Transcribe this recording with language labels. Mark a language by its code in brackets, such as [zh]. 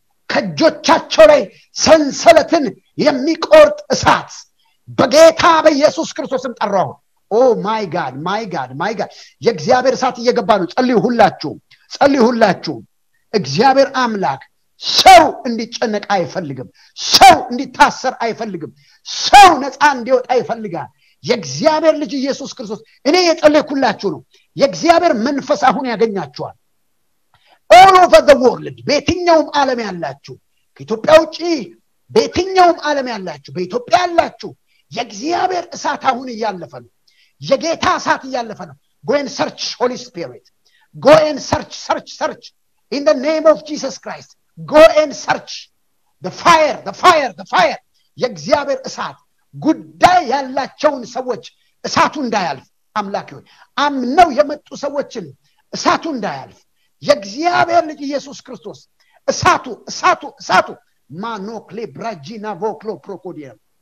[am] ከጆቻቸው ላይ ሰንሰለትን የሚቆርጥ እሳት በጌታ በኢየሱስ ክርስቶስም ጠራው [en] ኦ ማይ ጋድ ማይ ጋድ ማይ ጋድ [am] የእግዚአብሔር እሳት እየገባ ነው ጸልዩ ሁላችሁ ጸልዩ ሁላችሁ እግዚአብሔር አምላክ ሰው እንዲጨነቅ አይፈልግም ሰው እንዲታሰር አይፈልግም ሰው ነፃ እንዲወጣ ይፈልጋል የእግዚአብሔር ልጅ ኢየሱስ ክርስቶስ እኔ የጸለይኩላችሁ ነው የእግዚአብሔር መንፈስ አሁን ያገኛችኋል [en] all over the world [am] በየትኛውም ዓለም ያላችሁ ከኢትዮጵያ ውጪ በየትኛውም ዓለም ያላችሁ በኢትዮጵያ ያላችሁ የእግዚአብሔር እሳት አሁን ያለፈ ነው የጌታ ሰዓት ያለፈ ነው። [en] Go and search Holy Spirit. Go and search, search, search in the name of Jesus Christ. Go and search the fire, the fire, the fire. [am] የእግዚአብሔር እሳት ጉዳይ ያላቸውን ሰዎች እሳቱ እንዳያልፍ አምላክ ይሁን። አምነው የመጡ ሰዎችን እሳቱ እንዳያልፍ የእግዚአብሔር ልጅ ኢየሱስ ክርስቶስ እሳቱ እሳቱ እሳቱ ማኖ ክሌብራጂና ቮክሎ ፕሮኮዲየም